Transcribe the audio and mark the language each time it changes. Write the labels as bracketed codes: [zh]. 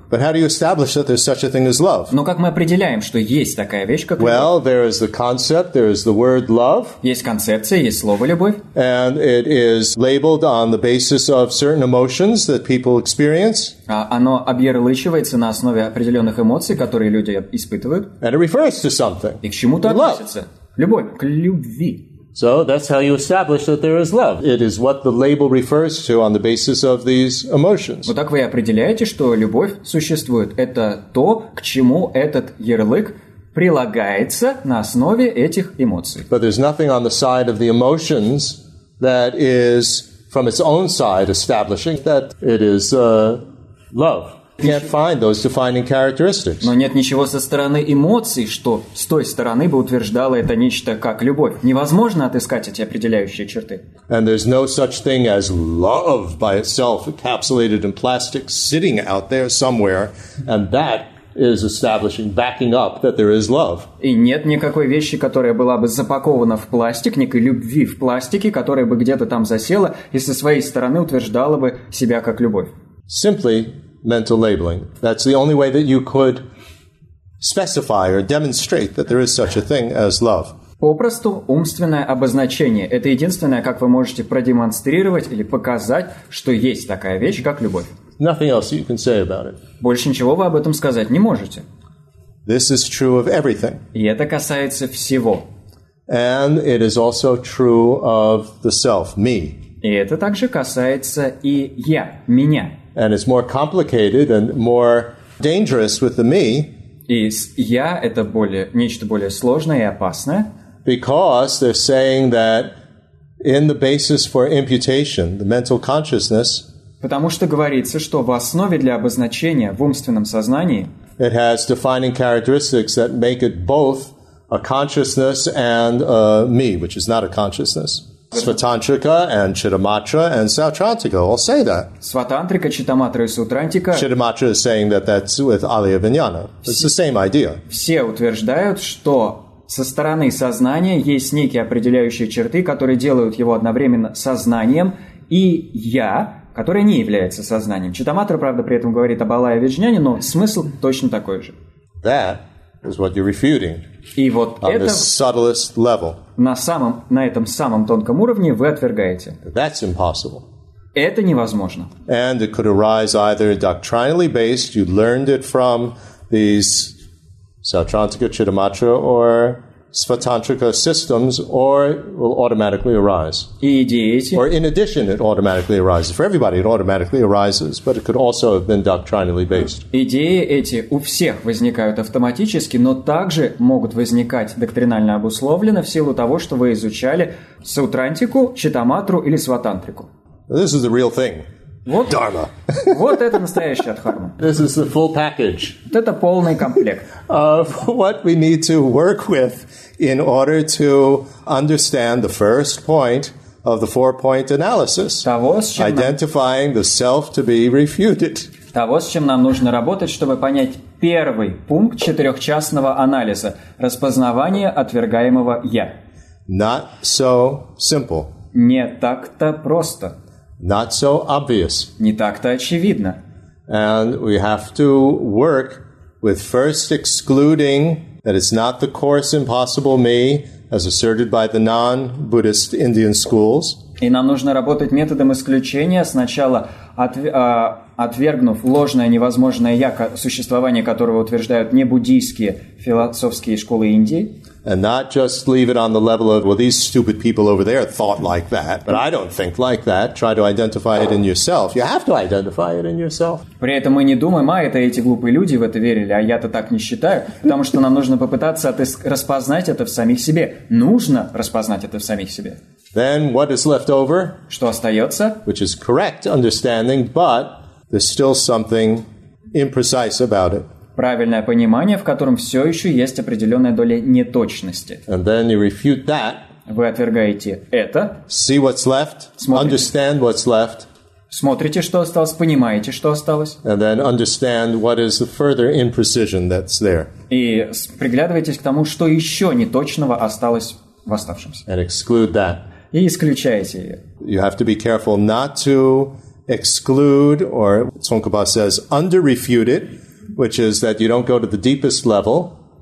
[en] But how do you establish that there's such a thing as love? [ru] Но как мы определяем, что есть такая вещь, как well, любовь? [en] There is the concept, there is the word love. [ru] Есть концепция, есть слово любовь. [en] And it is labeled on the basis of certain emotions that people experience. [ru] А оно объярлычивается на основе определенных эмоций, которые люди испытывают. [en] And it refers to something. [ru] И к чему-то относится. Любовь, к любви. [en] So that's how you establish that there is love. It is what the label refers to on the basis of these emotions. [ru] Вот так вы и определяете, что любовь существует. Это то, к чему этот ярлык прилагается на основе этих эмоций. [en] But there's nothing on the side of the emotions that is from its own side establishing that it is love. You can't find those defining characteristics. [ru] Но нет ничего со стороны эмоций, что с той стороны бы утверждало это нечто как любовь. Невозможно отыскать эти определяющие черты. [en] And there's no such thing as love by itself, encapsulated in plastic, sitting out there somewhere, and that is establishing, backing up that there is love. [ru] И нет никакой вещи, которая была бы запакована в пластик, некой любви в пластике, которая бы где-то там засела и со своей стороны утверждала бы себя как любовь. [en] Simply mental labeling. That's the only way that you could specify or demonstrate that there is such a thing as love. [ru] Попросту умственное обозначение. Это единственное, как вы можете продемонстрировать или показать, что есть такая вещь, как любовь. [en] Nothing else you can say about it. [ru] Больше ничего вы об этом сказать не можете. [en] This is true of everything. [ru] И это касается всего. [en] And it is also true of the self, me. [ru] И это также касается и я, меня. [en] And it's more complicated and more dangerous with the me. [ru] И я — это более, нечто более сложное и опасное. [en] Because they're saying that in the basis for imputation, the mental consciousness, [ru] потому что говорится, что в основе для обозначения в умственном сознании [en] it has defining characteristics that make it both a consciousness and a me, which is not a consciousness. Svatantrika and Chittamatra and Sautrantika all say that. Svatantrika, Chittamatra and Sautrantika. Chittamatra is saying that that's with Alaya Vijnana. It's the same idea. [ru] Все утверждают, что со стороны сознания есть некие определяющие черты, которые делают его одновременно сознанием и я, которое не является сознанием. Читаматра, правда, при этом говорит об Алая Виджняне, но смысл точно такой же. [en] That is what you're refuting. [ru] И вот [en] on [ru] это [en] the subtlest level. [ru] На этом самом тонком уровне вы отвергаете. [en] That's impossible. [ru] Это невозможно. [en] And it could arise either doctrinally based, you learned it from these Sautrantika, Chittamatra, or Svatantrika systems, or it will automatically arise. Or in addition, it automatically arises. For everybody, it automatically arises, but it could also have been doctrinally based. [ru] Идеи эти у всех возникают автоматически, но также могут возникать доктринально обусловленно в силу того, что вы изучали Саутрантику, Читаматру или Сватантрику. [en] This is the real thing. [ru] Вот, [en] Dharma. [ru] Вот это настоящая дхарма. [en] This is the full package. [ru] Вот это полный комплект. [en] Of what we need to work with in order to understand the first point of the four-point analysis. [ru] Того, с чем [en] identifying the self to be refuted. [ru] Того, с чем нам нужно работать, чтобы понять первый пункт четырехчастного анализа. Распознавание отвергаемого «я». [en] Not so simple. [ru] Не так-то просто. [en] Not so obvious. [ru] Не так-то очевидно. [en] And we have to work with first excluding that it's not the coarse, impossible me, as asserted by the non-Buddhist Indian schools. [ru] И нам нужно работать методом исключения, сначала отвергнув ложное, невозможное я, существование которого утверждают небуддийские философские школы Индии. [en] And not just leave it on the level of, well, these stupid people over there thought like that, but I don't think like that. Try to identify it in yourself. You have to identify it in yourself. [ru] При этом мы не думаем, а это эти глупые люди в это верили, а я-то так не считаю, потому что нам нужно попытаться распознать это в самих себе. Нужно распознать это в самих себе. [en] Then what is left over? [ru] Что остается? [en] Which is correct understanding, but there's still something imprecise about it. [ru] Правильное понимание, в котором все еще есть определенная доля неточности. [en] And then you refute that. [ru] Вы отвергаете это. [en] See what's left. Understand what's left. [ru] Смотрите, что осталось, понимаете, что осталось. [en] And then understand what is the further imprecision that's there. [ru] И приглядывайтесь к тому, что еще неточного осталось в оставшемся. [en] And exclude that. [ru] И исключаете ее. [en] You have to be careful not to exclude, or Tsongkhapa says, under-refute it, which is that you don't go to the deepest level.